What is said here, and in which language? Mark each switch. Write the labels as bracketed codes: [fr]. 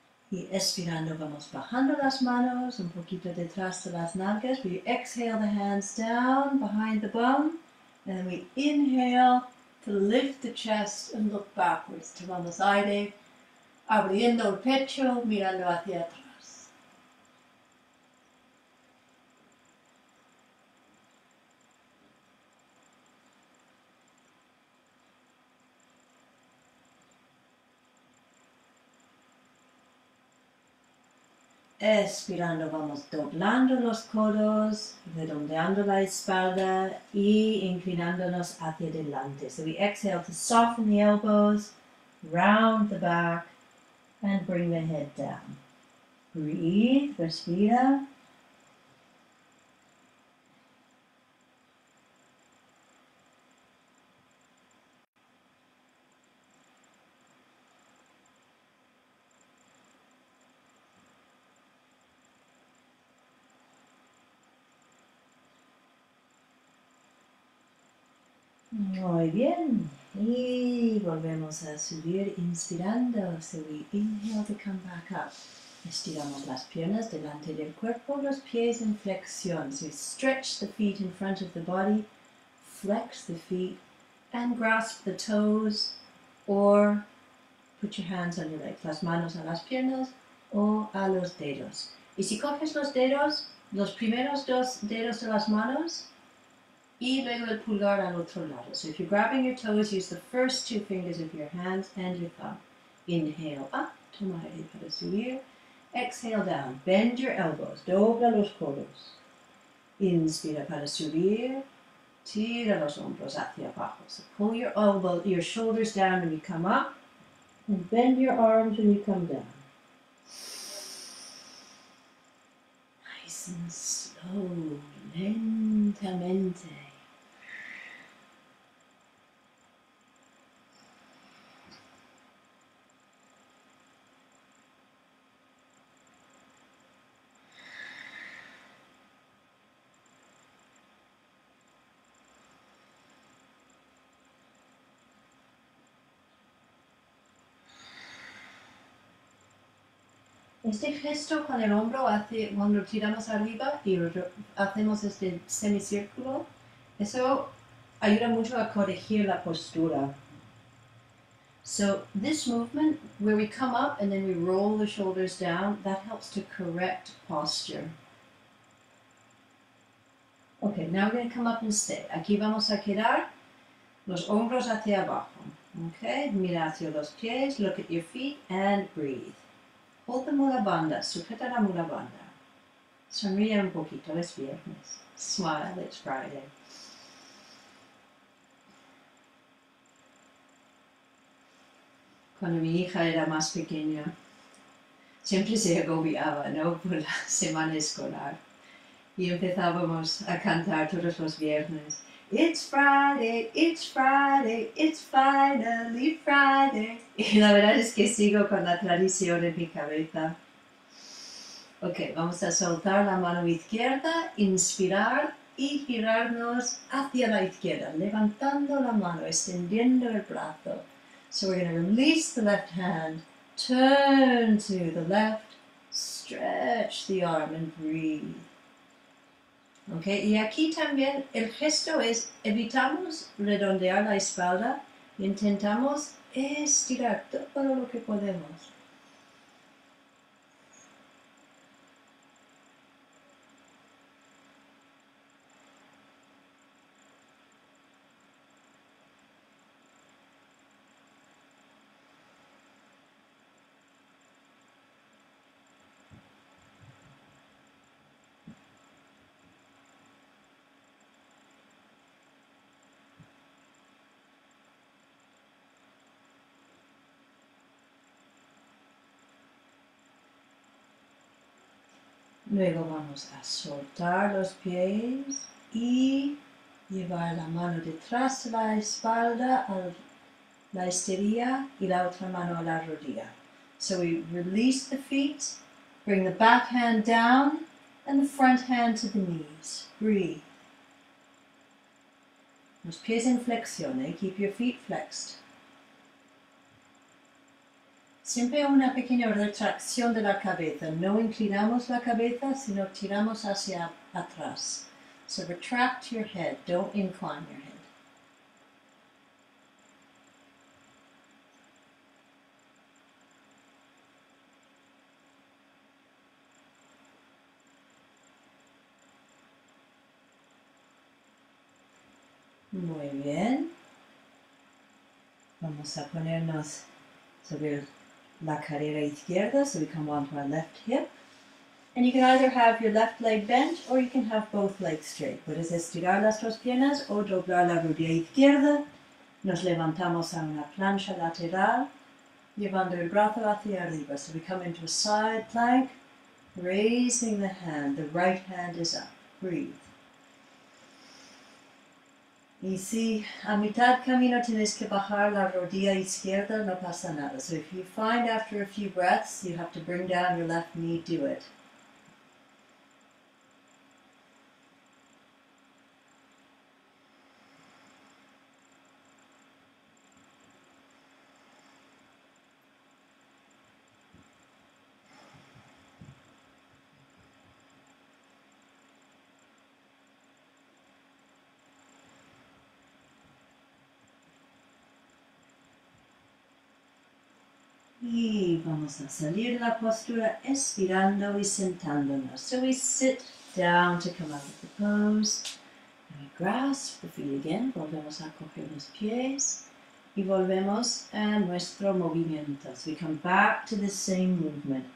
[es] Y expirando, vamos bajando las manos, un poquito detrás de las nalgas. [en] We exhale the hands down behind the bum. And then we inhale to lift the chest and look backwards. [es] Tomamos aire. Abriendo el pecho, mirando hacia atrás. Expirando, vamos doblando los codos, redondeando la espalda y inclinándonos hacia adelante. [en] So we exhale to soften the elbows, round the back, and bring the head down. Breathe, [es] respira. Muy bien. Y volvemos a subir inspirando. [en] So we inhale to come back up. [es] Estiramos las piernas delante del cuerpo, los pies en flexión. [en] So stretch the feet in front of the body, flex the feet, and grasp the toes, or put your hands on your legs. [es] Las manos a las piernas o a los dedos. Y si coges los dedos, los primeros dos dedos de las manos, y luego el pulgar al otro lado. [en] So if you're grabbing your toes, use the first two fingers of your hands and your thumb. Inhale up, [es] toma aire para subir. [en] Exhale down, bend your elbows, [es] dobla los codos. Inspira para subir, tira los hombros hacia abajo. [en] So pull your elbow, your shoulders down when you come up, and bend your arms when you come down. Nice and slow, [es] lentamente. Este gesto con el hombro hace cuando tiramos arriba y hacemos este semicírculo, eso ayuda mucho a corregir la postura. [en] So this movement where we come up and then we roll the shoulders down, that helps to correct posture. Okay, now we're going to come up and stay. [es] Aquí vamos a quedar los hombros hacia abajo. [en] Okay, [es] mira hacia los pies, [en] look at your feet and breathe. Hold the mula banda, [es] sujeta la mula banda. Sonríe un poquito, es viernes. [en] Smile, it's Friday. [es] Cuando mi hija era más pequeña, siempre se agobiaba, ¿no? Por la semana escolar. Y empezábamos a cantar todos los viernes. [en] It's Friday, it's Friday, it's finally Friday. [es] Y la verdad es que sigo con la tradición en mi cabeza. Ok, vamos a soltar la mano izquierda, inspirar y girarnos hacia la izquierda, levantando la mano, extendiendo el brazo. [en] So we're going to release the left hand, turn to the left, stretch the arm and breathe. [es] Okay, y aquí también el gesto es, evitamos redondear la espalda y intentamos estirar todo lo que podemos. Luego vamos a soltar los pies y llevar la mano detrás de la espalda a la esterilla y la otra mano a la rodilla. [en] So we release the feet, bring the back hand down and the front hand to the knees. Breathe. [es] Los pies en flexión, eh? [en] Keep your feet flexed. [es] Siempre una pequeña retracción de la cabeza. No inclinamos la cabeza, sino tiramos hacia atrás. [en] So retract your head. Don't incline your head. [es] Muy bien. Vamos a ponernos sobre la cadera izquierda, [en] so we come onto our left hip. And you can either have your left leg bent or you can have both legs straight. [es] Puedes estirar las dos piernas o doblar la rodilla izquierda. Nos levantamos a una plancha lateral, llevando el brazo hacia arriba. [en] So we come into a side plank, Raising the hand, the right hand is up. Breathe. [es] Y si a mitad camino tienes que bajar la rodilla izquierda, no pasa nada. [en] So if you find after a few breaths you have to bring down your left knee, do it. [es] Y vamos a salir de la postura estirando y sentándonos. [en] So we sit down to come out of the pose. And we grasp the feet again. [es] Volvemos a coger los pies. Y volvemos a nuestro movimiento. [en] So we come back to the same movement.